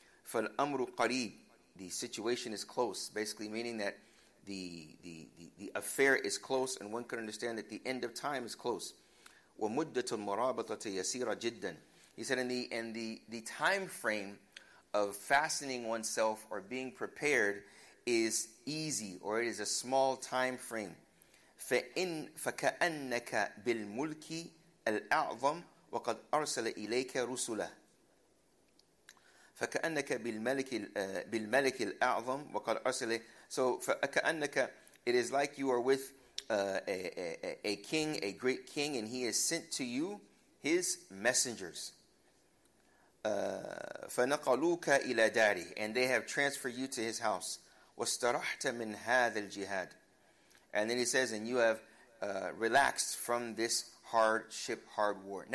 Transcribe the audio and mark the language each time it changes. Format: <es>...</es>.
<ar>فَالْأَمْرُ قَرِيبٌ,</ar> <en>the situation is close, basically meaning that the affair is close, and one could understand that the end of time is close.</en> <ar>وَمُدَّةُ الْمُرَابَطَةِ يَسِيرَ جِدًّا.</ar> <en>He said in the time frame of fastening oneself or being prepared is easy, or it is a small time frame.</en> <ar>فَإِنْ فَكَأَنَّكَ بِالْمُلْكِ الأعظم وقد أرسل إليك رسله فكأنك بالملك بالملك الأعظم وقد أرسل.</ar> <en>So</en> <ar>فكأنك,</ar> <en>it is like you are with a king, a great king, and he has sent to you his messengers.</en> <ar>فنقلوك إلى داره,</ar> <en>and they have transferred you to his house.</en> <ar>واسترحت من هذا الجهاد,</ar> <en>and then he says, and you have relaxed from this hardship, hard war.</en>